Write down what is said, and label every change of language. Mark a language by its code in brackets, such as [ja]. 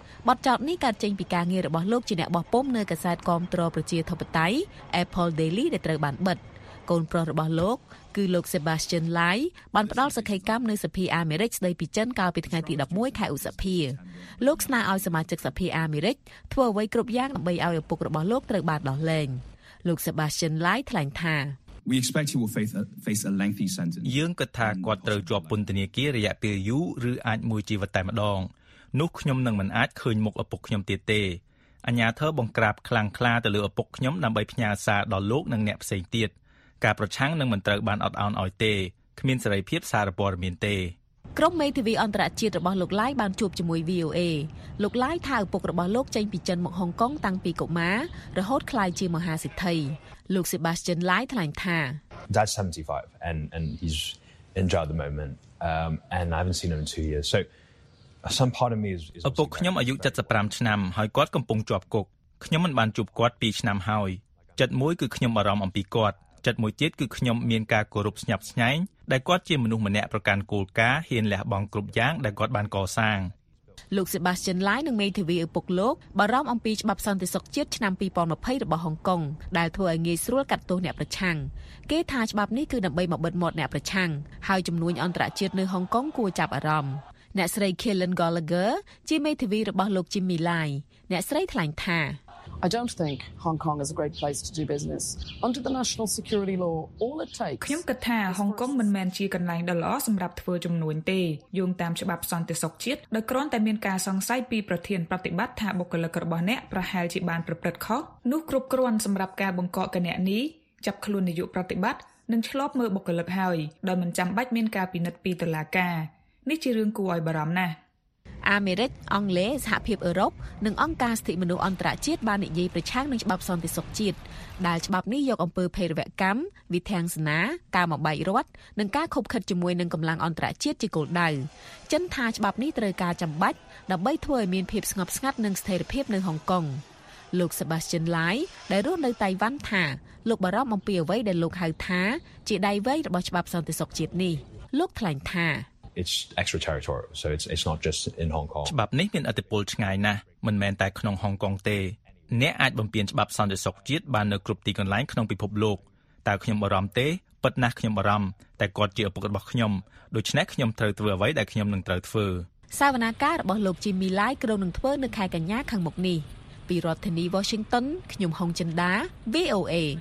[km] បទចោទនេះកើតចេញពីការងាររបស់លោកជាអ្នកបោះពុម្ពនៅកាសែតគ្រប់គ្រងប្រជាធិបតេយ្យ Apple Daily ដែលត្រូវបានបិទកូនប្រុសរបស់លោកគឺលោក Sebastian Lai បានផ្ដល់សេចក្តីកម្មនៅសភាអាមេរិកស្ដីពីចិនកាលពីថ្ងៃទី11ខែឧសភាលោកស្នើឲ្យសមាជិកសភាអាមេរិកធ្វើអ្វីគ្រប់យ៉ាងដើម្បីឲ្យឪពុករបស់លោកត្រូវបានដោះលែងលោក Sebastian Lai ថ្លែងថា [en] We expect he will face a lengthy sentence [km] យើងគិតថាគាត់ត្រូវជាប់ពន្ធនាគាររយៈពេលយូរឬអាចមួយជីវិតតែម្ដងនោះខ្ញុំនឹងមិនអាចឃើញមុខឪពុកខ្ញុំទៀតទេអញ្ញាធិបតេយ្យបង្ក្រាបខ្លាំងក្លាទៅលើឪពុកខ្ញុំដើម្បីផ្ញើសារដល់លោកនិងអ្នកផ្សេងទៀតការប្រឆាំងនឹងមិនត្រូវបានអត់ឱនឲ្យទេគ្មានសេរីភាពសារព័ត៌មានទេ ក្រុមមេធាវីអន្តរជាតិរបស់លោកឡាយបានជួបជាមួយ VOA លោកឡាយថាឪពុករបស់លោកចេញពីចិនមកហុងកុងតាំងពីកុមាររហូតក្លាយជាមហាសិទ្ធិលោក Sebastian Lai ថ្លែងថា [en] That's 75 and he's in jail at the moment and I haven't seen him in 2 years so some part of me is [km] ឪពុកខ្ញុំអាយុ75ឆ្នាំហើយគាត់កំពុងជាប់គុកខ្ញុំមិនបានជួបគាត់2ឆ្នាំហើយចិត្តមួយគឺខ្ញុំបារម្ភអំពីគាត់ចិត្តមួយទៀតគឺខ្ញុំមានការគោរពស្ញប់ស្ញែងដែលគាត់ជាមនុស្សម្នាក់ប្រកាន់គោលការណ៍ហ៊ានលះបង់គ្រប់យ៉ាងដែលគាត់បានកសាង លោក Sebastian Lai និងមេធាវីឪពុកលោកបារម្ភអំពីច្បាប់សន្តិសុខជាតិឆ្នាំ2020របស់ហុងកុងដែលធ្វើឲ្យងាយស្រួលកាត់ទោសអ្នកប្រឆាំងគេថាច្បាប់នេះគឺដើម្បីមកបិទមាត់អ្នកប្រឆាំងហើយចំនួនអន្តរជាតិនៅហុងកុងគួរចាប់អារម្មណ៍អ្នកស្រី Kellen Gallagher ជាមេធាវីរបស់លោក Jimmy Lai អ្នកស្រីថ្លែងថា [en] I don't think Hong Kong is a great place to do business. Under the national security law, all it takes. [km] ខ្ញុំគិតថាហុងកុងមិនមែនជាកន្លែងដ៏ល្អសម្រាប់ធ្វើជំនួញទេយោងតាមច្បាប់សន្តិសុខជាតិដោយគ្រាន់តែមានការសង្ស័យពីប្រធានប្រតិបត្តិថាបុគ្គលិករបស់អ្នកប្រហែលជាបានប្រព្រឹត្តខុសនោះគ្រប់គ្រាន់សម្រាប់ការបង្កកគណនីចាប់ខ្លួននាយកប្រតិបត្តិនិងឆ្លប់មើលបុគ្គលិកហើយដោយមិនចាំបាច់មានការពិនិត្យពីតុលាការនេះជារឿងគួរឲ្យបារម្ភណាស់ អាមេរិកអង់គ្លេសសហភាពអឺរ៉ុបនិងអង្គការសិទ្ធិមនុស្សអន្តរជាតិបាននិយាយប្រឆាំងនឹងច្បាប់សន្តិសុខជាតិដែលច្បាប់នេះយកអំពើភេរវកម្មវិធានសាសនាការបំបែករដ្ឋនិងការខុបខិតជាមួយនឹងកម្លាំងអន្តរជាតិជាគោលដៅចិនថាច្បាប់នេះត្រូវការចាំបាច់ដើម្បីធ្វើឲ្យមានភាពស្ងប់ស្ងាត់និងស្ថិរភាពនៅហុងកុងលោក Sebastian Lai ដែលរស់នៅតៃវ៉ាន់ថាលោកបារម្ភអំពីអ្វីដែលលោកហៅថាជាដៃវែងរបស់ច្បាប់សន្តិសុខជាតិនេះលោកថ្លែងថា [en] It's extraterritorial, so it's not just in Hong Kong. [km] ច្បាប់នេះមានអធិពលឆ្ងាយណាស់មិនមែនតែក្នុងហុងកុងទេអ្នកអាចបំពេញច្បាប់សន្តិសុខជាតិបាននៅគ្រប់ទីកន្លែងក្នុងពិភពលោកតើខ្ញុំបារម្ភទេប៉ិតណាស់ខ្ញុំបារម្ភតែគាត់ជាឪពុករបស់ខ្ញុំដូច្នេះខ្ញុំត្រូវធ្វើអ្វីដែលខ្ញុំនឹងត្រូវធ្វើ សាវនាការរបស់លោកជីមីឡាយគ្រោងនឹងធ្វើនៅខែកញ្ញាខាងមុខនេះពីរដ្ឋធានី Washington ខ្ញុំហុងចិនដា VOA